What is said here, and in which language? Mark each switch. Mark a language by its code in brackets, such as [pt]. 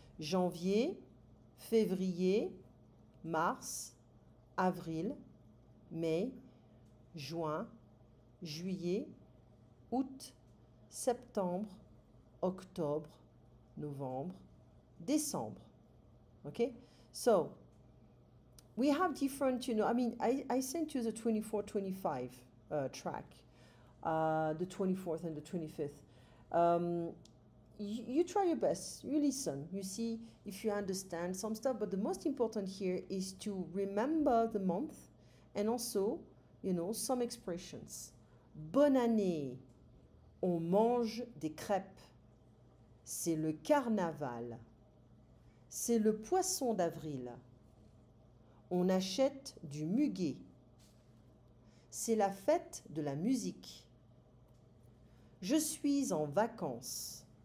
[fr] Janvier, février, mars, avril, mai, juin, juillet, août, septembre, octobre, novembre, décembre. [en] OK? So, we have different, you know, I mean, I sent you the 24-25 track, the 24th and the 25th. You try your best, you listen, you see if you understand some stuff, but the most important here is to remember the month and also, you know, some expressions. [fr] Bonne année, on mange des crêpes, c'est le carnaval, c'est le poisson d'avril, on achète du muguet, c'est la fête de la musique, je suis en vacances.